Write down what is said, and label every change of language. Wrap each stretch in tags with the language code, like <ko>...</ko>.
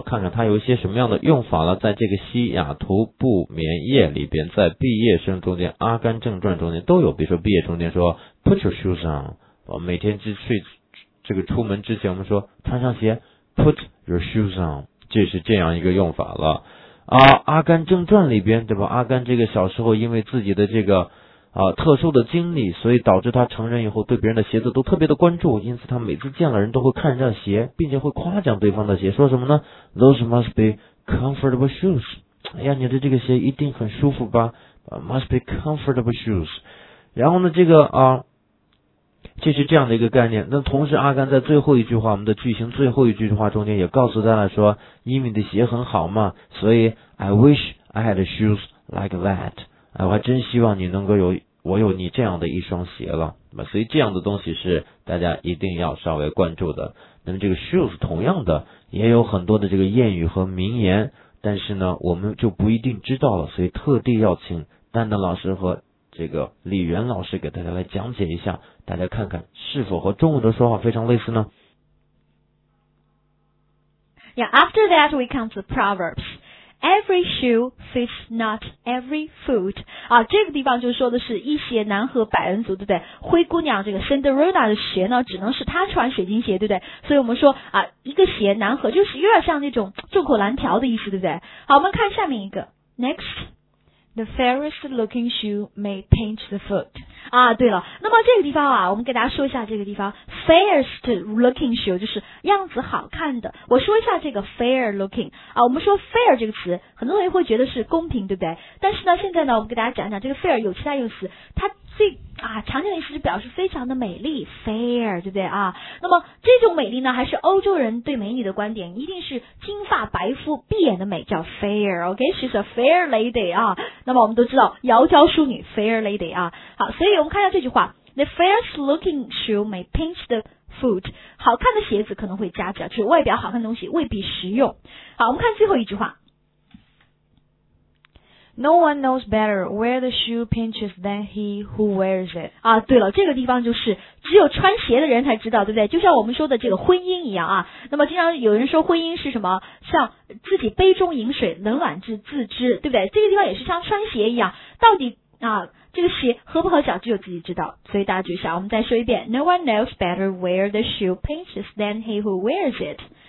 <zh>看看它有一些什么样的用法了。在这个西雅图不眠夜里边，在毕业生中间，阿甘正传中间都有。比如说毕业中间说</zh> <en>put your shoes on，</en> <zh>每天出门之前我们说穿上鞋 put your shoes on。这是这样一个用法了。啊，阿甘正传里边，对吧？阿甘这个小时候因为自己的这个特殊的经历，所以导致他成人以后对别人的鞋子都特别的关注，因此他每次见了人都会看人家鞋，并且会夸奖对方的鞋，说什么呢？</zh> <en>Those must be comfortable shoes.</en> <zh>哎呀，你的这个鞋一定很舒服吧？</zh> <en>Must be comfortable shoes.</en> <zh>然后呢，这个就是这样的一个概念。那同时阿甘在最后一句话，我们的剧情最后一句话中间也告诉大家说，因为你的鞋很好嘛，所以</zh> <en>I wish I had shoes like that。</en> <zh>哎，我还真希望你能够有我有你这样的一双鞋了。所以这样的东西是大家一定要稍微关注的。那么这个 shoes 同样的也有很多的这个谚语和名言，但是呢我们就不一定知道了，所以特地要请丹丹老师和这个李源老师给大家来讲解一下，大家看看是否和中文的说法非常类似呢？</zh> <en>Yeah, after that we come to proverbs. Every shoe fits not every foot.</en> <zh>啊，这个地方就说的是一鞋难合百人足，对不对？灰姑娘这个 Cinderella 的鞋呢，只能是她穿水晶鞋，对不对？所以我们说啊，一个鞋难合，就是有点像那种众口难调的意思，对不对？好，我们看下面一个 ，Next。</zh> <en>The fairest looking shoe may paint the foot.</en> <zh>啊，对了，那么这个地方啊，我们给大家说一下这个地方 ，</zh> <en>fairest looking shoe</en> <zh>就是样子好看的。我说一下这个</zh> <en>fair looking</en> <zh>啊，我们说 fair 这个词，很多人会觉得是公平，对不对？但是呢，现在呢，我们给大家讲讲这个 fair 有其他用词，它最啊常见的意思是表示非常的美丽 ，fair， 对不对啊？那么这种美丽呢，还是欧洲人对美女的观点，一定是金发白肤碧眼的美叫 fair， OK，</zh> <en>she's a fair lady</en> <zh>啊。那么我们都知道窈窕淑女 fair lady 啊。好，所以我们看一下这句话 ，</zh> <en>the fairest looking shoe may pinch the foot，</en> <zh>好看的鞋子可能会夹脚，就是外表好看的东西未必实用。好，我们看最后一句话。</zh> <en>No one knows better where the shoe pinches than he who wears it.</en> <zh>啊，对了，这个地方就是只有穿鞋的人才知道，对不对？就像我们说的这个婚姻一样啊。那么经常有人说婚姻是什么？像自己杯中饮水，冷暖自知，对不对？这个地方也是像穿鞋一样，到底啊这个鞋合不合脚，只有自己知道。所以大家注意一下，我们再说一遍</zh> <en>：No one knows better where the shoe pinches than he who wears it.</en>